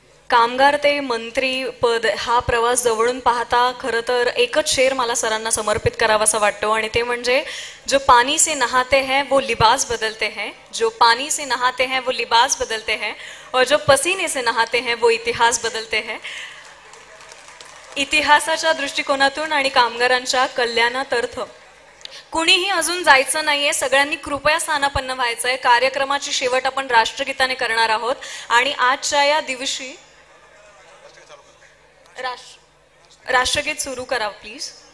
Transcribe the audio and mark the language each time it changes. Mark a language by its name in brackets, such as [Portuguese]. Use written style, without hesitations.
[Marathi] कामगार ते मंत्री पद हा प्रवास जवळून पाहता खरं तर एकच शेर मला सरांना समर्पित करावा असं वाटतो, आणि ते म्हणजे [Hindi] जो पाणी से नहाते हैं वो लिबास बदलते हैं, [Marathi] जो पाणी से नहाते हैं वो लिबास बदलते हैं. [Hindi] और जो पसीने से नहाते हैं वो इतिहास बदलते हैं। [Marathi] इतिहासाच्या दृष्टिकोनातून आणि कामगारांच्या कल्याणार्थ कुणीही अजून जायचं नाहीये, सगळ्यांनी कृपया स्थानापन्न व्हायचंय। कार्यक्रमाची शेवट आपण राष्ट्रगीताने करणार आहोत आणि आजच्या या दिवशी राष्ट्रगीत सुरू करा प्लीज।